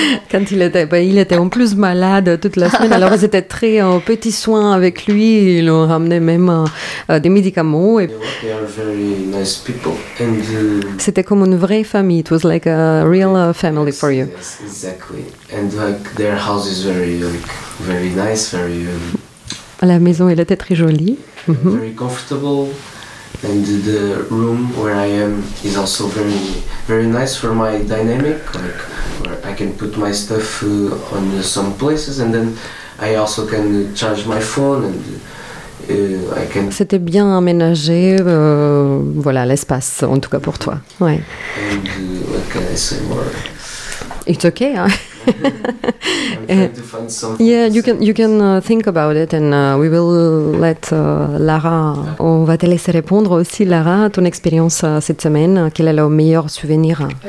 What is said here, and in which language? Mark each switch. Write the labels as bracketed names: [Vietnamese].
[French] Quand il était en plus malade toute la semaine, alors ils étaient très en petits soins avec lui, ils l'ont ramené même des médicaments. Et... [English] They are very nice people. And, [French] c'était comme une vraie famille, [English] it was like a real family yes, for you. Yes, exactly. And like, their house is very, like, very nice, very... [French] La maison, elle était très jolie. [English] Very comfortable. And the room where I am is also very, very nice for my dynamic, like where I can put my stuff on some places, and then I also can charge my phone and I can. [French] C'était bien aménagé, voilà l'espace en tout cas pour toi. Ouais. [English] And what can I say more? It's okay. Huh? I'm trying to find something. Yeah, you can think about it and we will let Lara, [French] on va te laisser répondre aussi Lara, ton expérience cette semaine, quel est le meilleur souvenir?